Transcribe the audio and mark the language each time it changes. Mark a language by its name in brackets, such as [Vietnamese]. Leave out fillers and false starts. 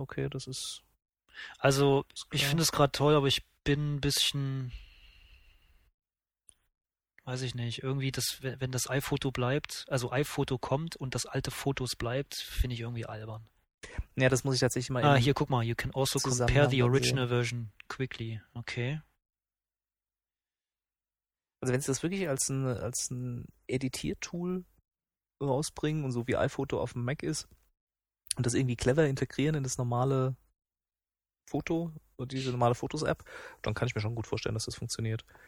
[German] Okay, das ist... Also, ich finde es gerade toll, aber ich bin ein bisschen... Weiß ich nicht. Irgendwie, wenn das iPhoto bleibt, also iPhoto kommt und das alte Fotos bleibt, finde ich irgendwie albern. Ja, das muss ich tatsächlich mal... Ah, hier, guck mal. [English] You can also compare the original version quickly. [German] Okay. Also wenn sie das wirklich als ein Editiertool rausbringen und so wie iPhoto auf dem Mac ist und das irgendwie clever integrieren in das normale Foto oder diese normale Fotos-App, dann kann ich mir schon gut vorstellen, dass das funktioniert.